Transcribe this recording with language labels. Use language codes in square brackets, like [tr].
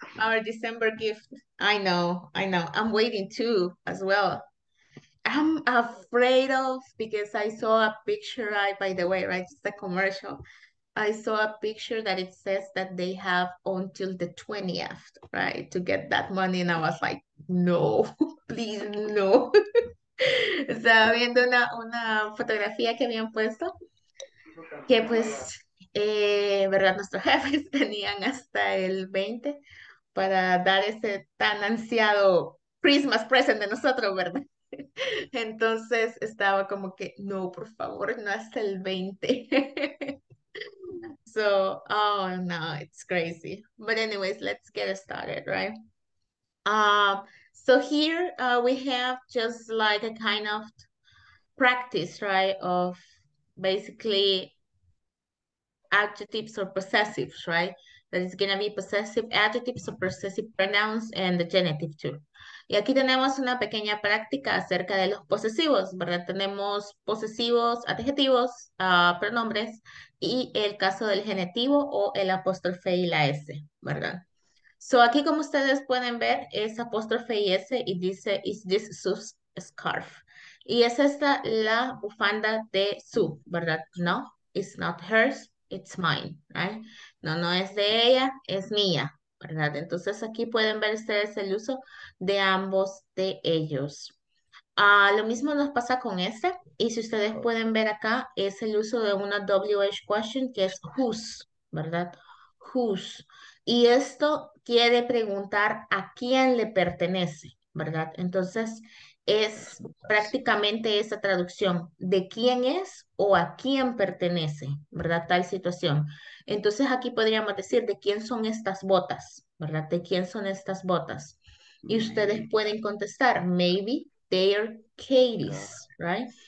[en] Our December gift. I know. I know. I'm waiting too, as well. I'm afraid of, because I saw a picture, right, by the way, right? It's a commercial. I saw a picture that it says that they have until the 20th, right, to get that money. And I was like, no, please, no. [es] Sabiendo una fotografía que habían puesto, que pues, verdad, nuestros jefes tenían hasta el 20 para dar ese tan ansiado Christmas present de nosotros, ¿verdad? Entonces estaba como que, no, por favor, no hasta el 20. [en] So, oh no, it's crazy. But anyways, let's get started, right? So here we have just like a kind of practice, right, of basically adjectives or possessives, right? That is going to be possessive adjectives or possessive pronouns and the genitive too. [es] Y aquí tenemos una pequeña práctica acerca de los posesivos, ¿verdad? Tenemos posesivos, adjetivos, pronombres, y el caso del genitivo o el apóstrofe y la S, ¿verdad? So aquí, como ustedes pueden ver, es apóstrofe y S y dice, is this Sue's scarf? Y es esta la bufanda de Sue, ¿verdad? No, it's not hers, it's mine, right? No, no es de ella, es mía, ¿verdad? Entonces aquí pueden ver ustedes el uso de ambos de ellos. Lo mismo nos pasa con este. Y si ustedes pueden ver acá, es el uso de una WH question, que es whose, ¿verdad? Whose. Y esto quiere preguntar a quién le pertenece, ¿verdad? Entonces es prácticamente esa traducción de quién es o a quién pertenece, ¿verdad? Tal situación. Entonces aquí podríamos decir de quién son estas botas, ¿verdad? De quién son estas botas. [en] Y ustedes pueden contestar, maybe they are Katie's, right?